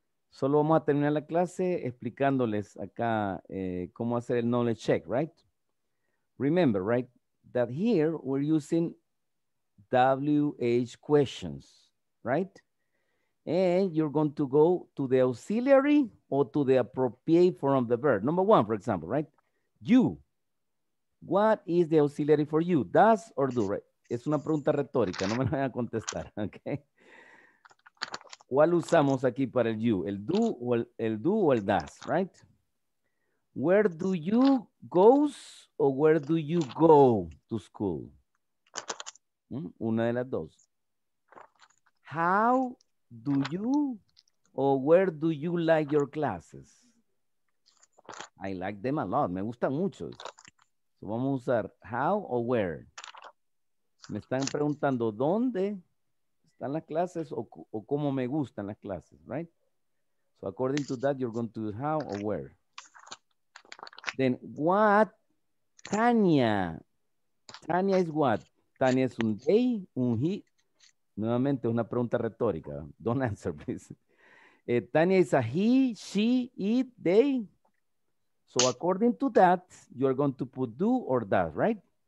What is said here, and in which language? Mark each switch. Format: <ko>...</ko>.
<es>Solo vamos a terminar la clase explicándoles acá cómo hacer el knowledge check, right?</es> <en>Remember, right, that here we're using WH questions, right? And you're going to go to the auxiliary or to the appropriate form of the verb. Number one, for example, right? You. What is the auxiliary for you? Does or do, right?</en> <es>Es una pregunta retórica, no me la voy a contestar, okay? ¿Cuál usamos aquí para el you? ¿El do o el does, right?</es> <en>Where do you go or where do you go to school?</en> <es>Una de las dos.</es> <en>How do you or where do you like your classes? I like them a lot.</en> <es>Me gustan mucho.</es> <en>So</en> <es>vamos a usar</es> <en>how or where.</en> <es>Me están preguntando dónde están las clases o cómo me gustan las clases, right?</es> <en>So according to that, you're going to use how or where. Then what, Tania? Tania is what?</en> <es>Tania es un they, un he. Nuevamente, una pregunta retórica.</es> <en>Don't answer, please. Tania is a he, she, it, they. So according to that, you're going to put do or does, right?</en>